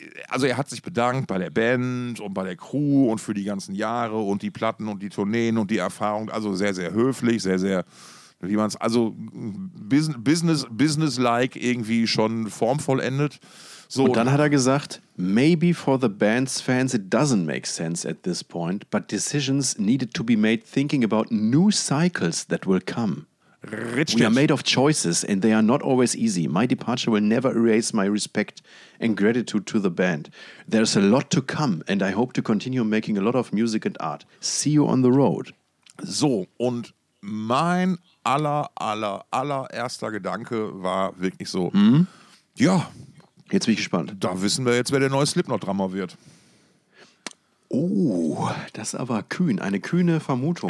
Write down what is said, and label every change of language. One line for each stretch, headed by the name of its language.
German: Also er hat sich bedankt bei der Band und bei der Crew und für die ganzen Jahre und die Platten und die Tourneen und die Erfahrung. Also sehr, sehr höflich, sehr, sehr, wie man es, also business-like irgendwie schon formvollendet. So, und dann hat er gesagt,
English: maybe for the band's fans it doesn't make sense at this point, but decisions needed to be made thinking about new cycles that will come.
German: Richtig.
English: We are made of choices and they are not always easy. My departure will never erase my respect and gratitude to the band. There's a lot to come and I hope to continue making a lot of music and art. See you on the road.
German: So, und mein allererster Gedanke war wirklich so, ja. Jetzt bin ich gespannt. Da wissen wir jetzt, wer der neue Slipknot-Drummer wird. Oh, das ist aber kühn, eine kühne Vermutung.